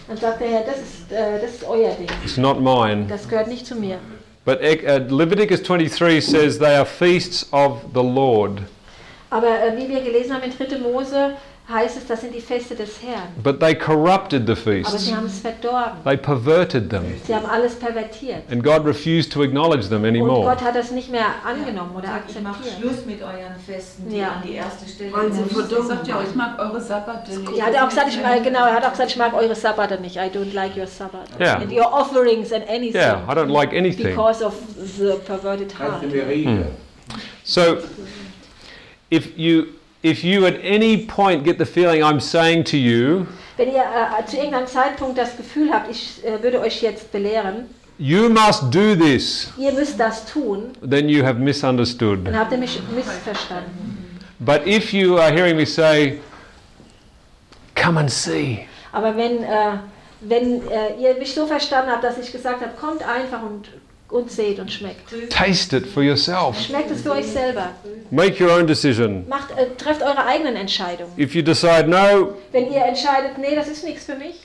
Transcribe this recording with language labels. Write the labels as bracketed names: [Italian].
[German] Und sagt der Herr, das ist euer Ding. [English] It's not mine. [German] Das gehört nicht zu mir. [English] But Leviticus 23 says they are feasts of the Lord. [German] Aber wie wir gelesen haben in 3. Mose, heißt es, das sind die Feste des Herrn. [English] But they corrupted the feasts. [German] Aber sie haben es verdorben. [English] They perverted them. [German] Sie haben alles pervertiert. [English] And God refused to acknowledge them anymore. [German] Und Gott hat das nicht mehr angenommen oder akzeptiert. Ich mache Schluss mit euren Festen, die an die erste Stelle kommen. Sie sagt ja, ich mag eure Sabbate. Er hat auch gesagt, ich mag eure Sabbate nicht. [English] I don't like your Sabbath. Yeah. And your offerings and anything. Yeah, I don't like anything. Because of the perverted heart. So, if you at any point get the feeling I'm saying to you, [German] wenn ihr zu irgendeinem Zeitpunkt das Gefühl habt, ich würde euch jetzt belehren, [English] you must do this, [German] ihr müsst das tun, [English] then you have misunderstood. [German] Dann habt ihr mich missverstanden. [English] But if you are hearing me say, come and see. [German] Aber wenn ihr mich so verstanden habt, dass ich gesagt habe, kommt einfach und seht und schmeckt. [English] Taste it for yourself. [German] Schmeckt es für euch selber. [English] Make your own decision. [German] Trefft eure eigenen Entscheidungen. [English] If you decide no, [German] wenn ihr entscheidet, nee, das ist nichts für mich,